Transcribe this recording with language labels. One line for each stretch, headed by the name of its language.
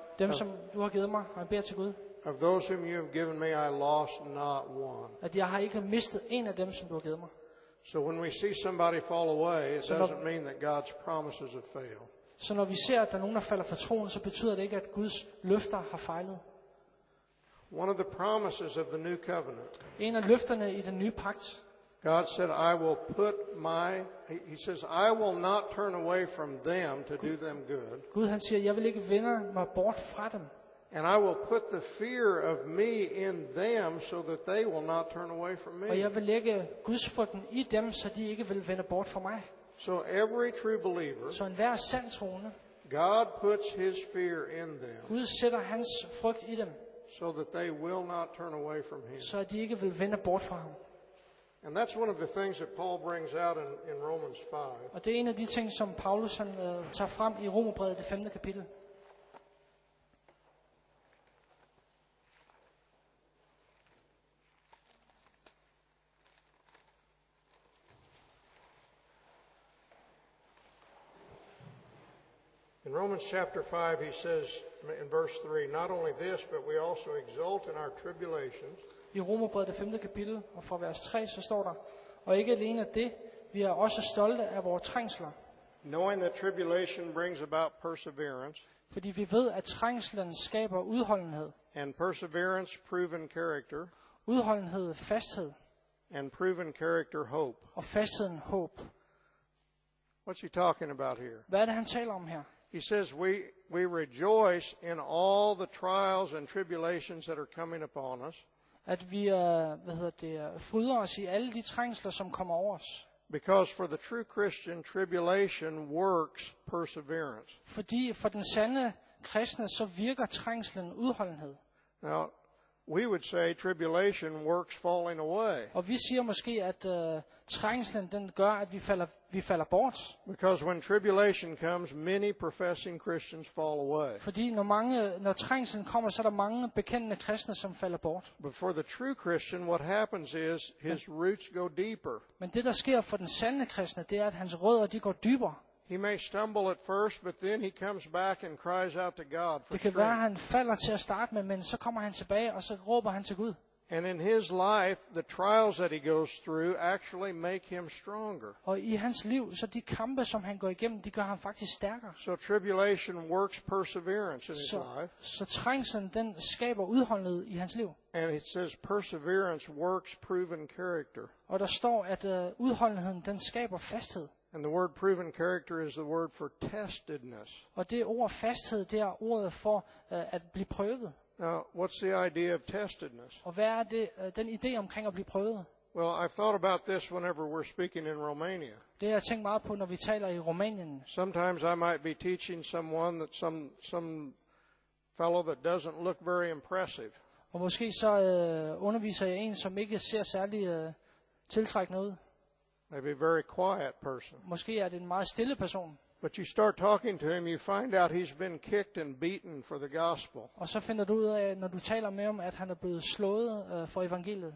Danish: dem, som du har givet mig, og jeg beder til Gud,
English: of those whom you have given me, I lost not one.
Danish: At jeg har ikke mistet en af dem, som du har givet mig.
English: So when we see somebody fall away, it doesn't mean that God's promises have failed.
Danish: Så når vi ser, at der er nogen, der falder fra troen, så betyder det ikke, at Guds løfter har fejlet.
English: One of the promises of the new covenant,
Danish: en af løfterne i den nye pagt,
English: God said, "I will put my." He says, "I will not turn away from them to do them good."
Danish: Gud, han siger, jeg vil ikke vende mig bort fra dem.
English: And I will put the fear of me in them, so that they will not turn away from me.
Danish: Og jeg vil lægge Guds frygten i dem, så de ikke vil vende bort fra mig.
English: So every true believer,
Danish: så enhver sand troende,
English: God puts His fear in them.
Danish: Gud sætter hans frygt i dem,
English: so that they will not turn away from Him.
Danish: Så de ikke vil vende bort fra ham.
English: And that's one of the things that Paul brings out in Romans 5.
Danish: Og det er en af de ting som Paulus han tager frem i Romerbrevet det 5. kapitel.
English: In Romans chapter 5 he says in verse 3, not only this but we also exult in our tribulations.
Danish: I Romerbrevet det 5. kapitel og fra vers 3 så står der: Og ikke alene det, vi er også stolte af vores trængsler.
English: Knowing that tribulation brings about perseverance.
Danish: Fordi vi ved at trængslen skaber udholdenhed.
English: And perseverance proven character.
Danish: Udholdenhed fasthed.
English: And proven character hope.
Danish: Og fastheden håb.
English: What's he talking about here?
Danish: Hvad er det, han taler om her?
English: He says we rejoice in all the trials and tribulations that are coming upon us.
Danish: At vi fryder os i alle de trængsler, som kommer over os.
English: Because for the true Christian, tribulation works perseverance.
Danish: Fordi for den sande kristne, så virker trængslen udholdenhed.
English: Now, we would say tribulation works falling away.
Danish: Og vi siger måske, at trængslen den gør, at vi falder bort.
English: Because when tribulation comes, many professing Christians fall away.
Danish: Fordi når trængslen kommer, så er der mange bekendende kristne, som falder bort.
English: But for the true Christian, what happens is his roots go deeper.
Danish: Men det der sker for den sande kristne, det er at hans rødder, de går dybere.
English: He may stumble at first, but then he comes back and cries out to God for strength.
Danish: Det kan være, han falder til at starte med, men så kommer han tilbage, og så råber han til Gud.
English: And in his life, the trials that he goes through actually make him stronger.
Danish: Og i hans liv, så de kampe, som han går igennem, de gør ham faktisk stærkere.
English: So tribulation works perseverance in his life.
Danish: Så trængslen, den skaber udholdenhed i hans liv.
English: And it says perseverance works proven character.
Danish: Og der står, at udholdenheden, den skaber fasthed.
English: And the word proven character is the word for testedness.
Danish: Og det ord fasthed, det er ordet for at blive prøvet.
English: Now, what's the idea of testedness?
Danish: Og hvad er det, den idé omkring at blive prøvet?
English: Well, I've thought about this whenever we're speaking in Romania.
Danish: Det jeg tænker meget på, når vi taler i Rumænien.
English: Sometimes I might be teaching someone that some fellow that doesn't look very impressive.
Danish: Og måske så underviser jeg en, som ikke ser særlig tiltrækkende ud.
English: Maybe a very quiet person.
Danish: Måske er det en meget stille person.
English: But you start talking to him, you find out he's been kicked and beaten for the gospel.
Danish: Og så finder du ud af, når du taler med ham, at han er blevet slået for evangeliet.